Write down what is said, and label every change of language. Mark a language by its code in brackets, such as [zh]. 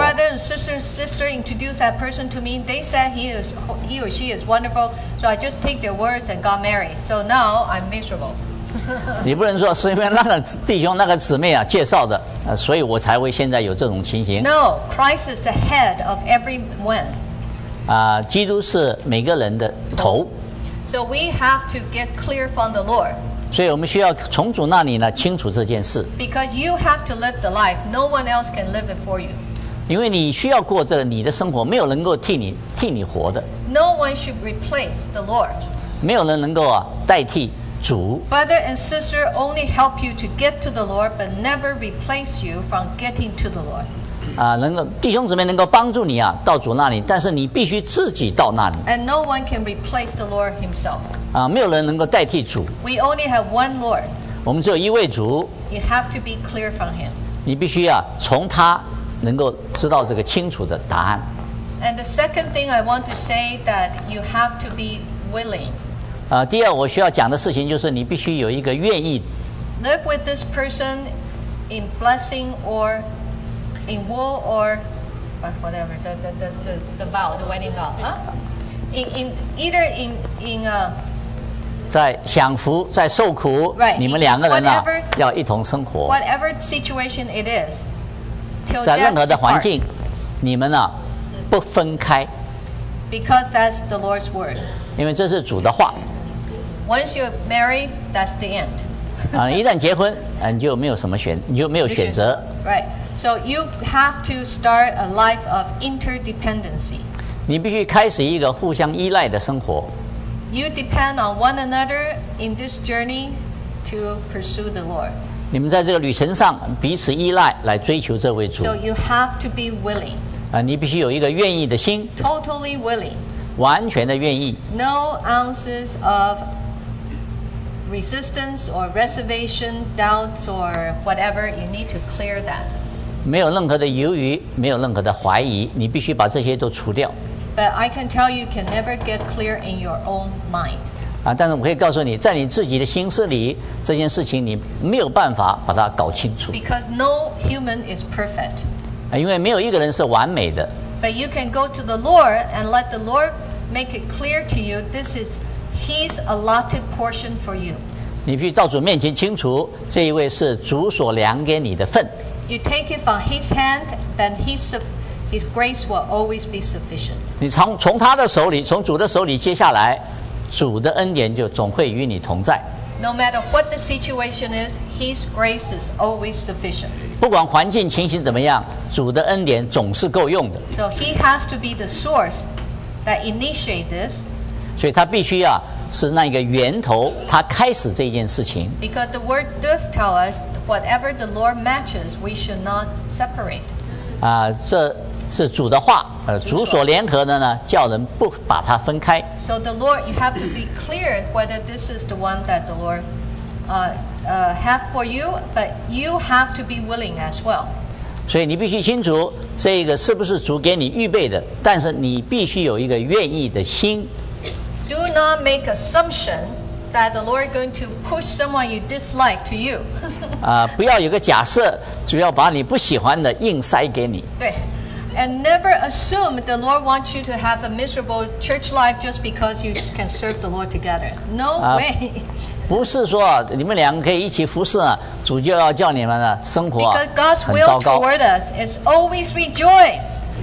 [en] Never say, oh, certain brother and sister introduced that person to me. They said he or she is wonderful. So I just take their words and got married. So now I'm miserable. [zh] 你不能说是因为那个弟兄那个姊妹啊介绍的所以我才会现在有这种情形。 [en] No, Christ is the head of everyone. [zh] 基督是每个人的头。 [en] So we have to get clear from the Lord. [zh] 所以我们需要从主那里呢清楚这件事。 [en] Because you have to live the life, no one else can live it for you. [zh] 因为你需要过这个你的生活，没有能够替你活的。 [en] No one should replace the Lord. [zh] 没有人能够、啊、代替主。 [en] Brother and sister only help you to get to the Lord, but never replace you from getting to the Lord. [zh] 啊，能够弟兄姊妹能够帮助你啊，到主那里，但是你必须自己到那里。 [en] And no one can replace the Lord Himself. [zh] 啊，没有人能够代替主。 [en] We only have one Lord. [zh] 我们只有一位主。 [en] You have to be clear from Him. [zh] 你必须啊，从他。能够知道这个清楚的答案。 [en] And the second thing I want to say that you have to be willing. [zh] 第二我需要讲的事情就是你必须有一个愿意。 [en] Live with this person in blessing or in woe or whatever the vow, the wedding vow, huh? In either in [zh] 在享福，在受苦， [en] right, [zh] 你们两个人呢、啊、要一同生活。 [en] Whatever situation it is. [zh] 在任何的环境，你们呢、啊、不分开。 [en] Because that's the Lord's word. [zh] 因为这是主的话。 [en] Once you're married, that's the end. [zh] 啊，一旦结婚，你就没有什么选，你就没有选择。 [en] Right. So you have to start a life of interdependency. [zh] 你必须开始一个互相依赖的生活。 [en] You depend on one another in this journey to pursue the Lord. [zh] 你们在这个旅程上彼此依赖，来追求这位主。 [en] So you have to be willing. [zh] 啊，你必须有一个愿意的心。 [en] Totally willing. [zh] 完全的愿意。 [en] No ounces of resistance or reservation, doubts or whatever. You need to clear that. [zh] 没有任何的犹豫，没有任何的怀疑，你必须把这些都除掉。 [en] But I can tell you, can never get clear in your own mind. [zh] 啊、但是我可以告诉你在你自己的心思里这件事情你没有办法把它搞清楚 [en] Because no human is perfect.、 [zh] 啊、因为没有一个人是完美的 [en] But you can go to the Lord and let the Lord make it clear to you this is His allotted portion for you [zh] 你必须到主面前清楚这一位是主所量给你的份 [en] You take it from His hand then His grace will always be sufficient [zh] 你 从他的手里从主的手里接下来主的恩典就总会与你同在。 [en] No matter what the situation is, His grace is always sufficient. [zh] 不管环境情形怎么样，主的恩典总是够用的。 [en] So He has to be the source that initiate this. [zh] 所以他必须啊，是那个源头，他开始这件事情。 [en] Because the word does tell us, whatever the Lord matches, we should not separate. [zh] 啊，这。是主的话，主所联合的呢，叫人不把它分开。 [en] So the Lord, you have to be clear whether this is the one that the Lord have for you, but you have to be willing as well. [zh] 所以你必须清楚这个是不是主给你预备的，但是你必须有一个愿意的心。 [en] Do not make assumption that the Lord is going to push someone you dislike to you. [zh] 不要有个假设，主要把你不喜欢的硬塞给你。对。 [en] And never assume the Lord wants you to have a miserable church life just because you can serve the Lord together. No way. [zh] 不是说你们两个可以一起服侍呢，主就要叫你们呢生活很糟糕。 [en] Because God's will toward us is always rejoice.